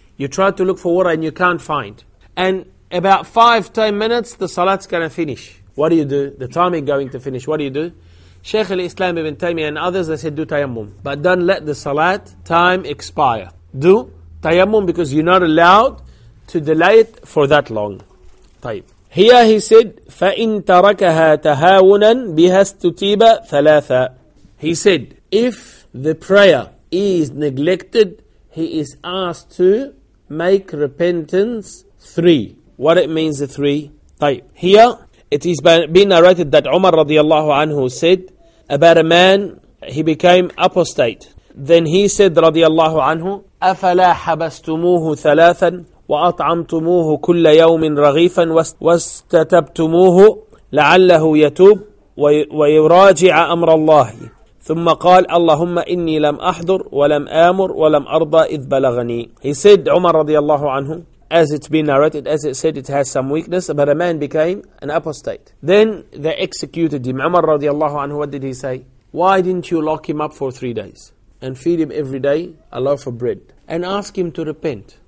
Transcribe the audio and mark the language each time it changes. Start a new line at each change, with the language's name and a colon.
English: You try to look for water and you can't find. And about 5-10 minutes, the salat's going to finish. What do you do? The time is going to finish. What do you do? Shaykh al-Islam ibn Taymiyyah and others, they said do tayammum. But don't let the salat time expire. Do tayammum because you're not allowed to delay it for that long.
Arabic: طيب.
English: Here he said,
Arabic: فَإِن تَرَكَهَا تَهَاوُنًا بِهَا اسْتُتِيبَ ثَلَاثًا.
English: He said, if the prayer is neglected, he is asked to make repentance three. What it means, the three?
Arabic: طيب.
English: Here, it is being narrated that Umar radiallahu anhu said about a man, he became apostate. Then he said radiallahu anhu,
Arabic: أَفَلَا حَبَسْتُمُوهُ ثَلَاثًا وَأَطْعَمْتُمُوهُ كُلَّ يَوْمٍ رَغِيفًا وَاسْتَتَبْتُمُوهُ لَعَلَّهُ يَتُوبُ وَيُرَاجِعَ أَمْرَ اللَّهِ ثُمَّ قَالَ اللَّهُمَّ إِنِّي لَمْ أَحْضُرْ وَلَمْ آمُرْ وَلَمْ أَرْضَى إِذْ بَلَغَنِي.
English: He said, Umar radiallahu anhu, as it's been narrated, as it said, it has some weakness, but a man became an apostate. Then they executed him. Umar radiallahu anhu, what did he say? Why didn't you lock him up for 3 days and feed him every day a loaf of bread and ask him to repent?